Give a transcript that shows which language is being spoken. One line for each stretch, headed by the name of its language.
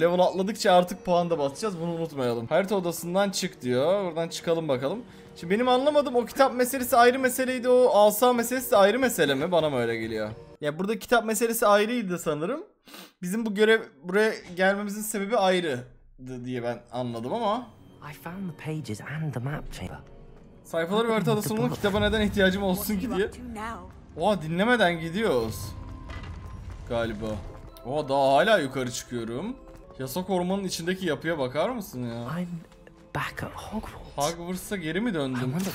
Turkish: Level atladıkça artık puan da basacağız bunu unutmayalım. Harita odasından çık diyor. Buradan çıkalım bakalım. Şimdi benim anlamadığım o kitap meselesi ayrı meseleydi. O asa meselesi de ayrı mesele mi? Bana mı öyle geliyor? Ya burada kitap meselesi ayrıydı sanırım. Bizim bu görev buraya gelmemizin sebebi ayrıydı diye ben anladım ama.
English: I found the pages and the map chamber.
Turkish: Sayfaları ve harita odasının kitaba neden ihtiyacım olsun ki diye. Oha dinlemeden gidiyoruz. Galiba. Oha daha hala yukarı çıkıyorum. Yasak ormanın içindeki yapıya bakar mısın ya?
English: I'm back at Hogwarts.
Turkish: Hogwarts'a geri mi döndüm?